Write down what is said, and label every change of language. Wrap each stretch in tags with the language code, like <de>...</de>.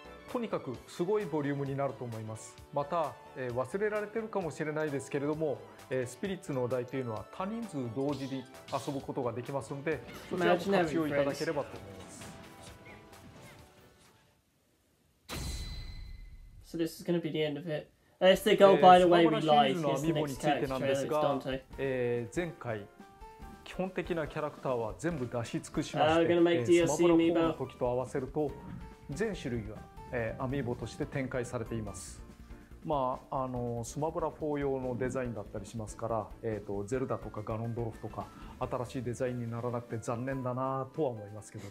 <ja>とにかくすごいボリュームになると思います。また、忘れられてるかもしれないですけれども、スピリッツのお題というのは他人数同時に遊ぶことができますので、そちらも活用いただければと思います。</ja> <en>So this is going to be the end of it. Unless they go by the way we lied. Here's the next character trailer. It's Dante.</en> <ja>前回基本的なキャラクターは全部出し尽くしまして、スマブラ4の時と合わせると全種類がアミーボとして展開されています。まあ、スマブラ4用のデザインだったりしますから、ゼルダとかガノンドロフとか新しいデザインにならなくて残念だなとは思いますけど、ね、</ja>